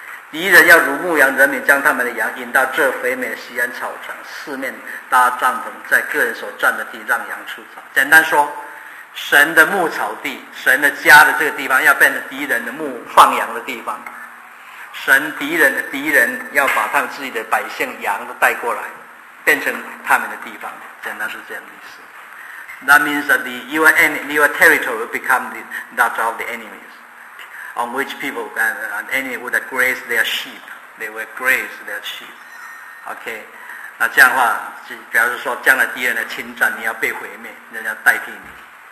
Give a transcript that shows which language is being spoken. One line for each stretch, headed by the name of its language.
Chinese: 敌人要如牧羊人民，将他们的羊引到这肥美的西安草场，四面搭帐篷，在个人所占的地让羊出草。简单说，神的牧草地，神的家的这个地方，要变成敌人的牧放羊的地方。神敌人要把他们自己的百姓羊都带过来，变成他们的地方。简单是这样的意思。
English: That means that your territory will become that of the enemies, on which people and enemy would graze their sheep. They will graze their sheep.
Chinese: Okay, 那这样的话，表示说将来敌人的侵占，你要被毁灭，人家代替你。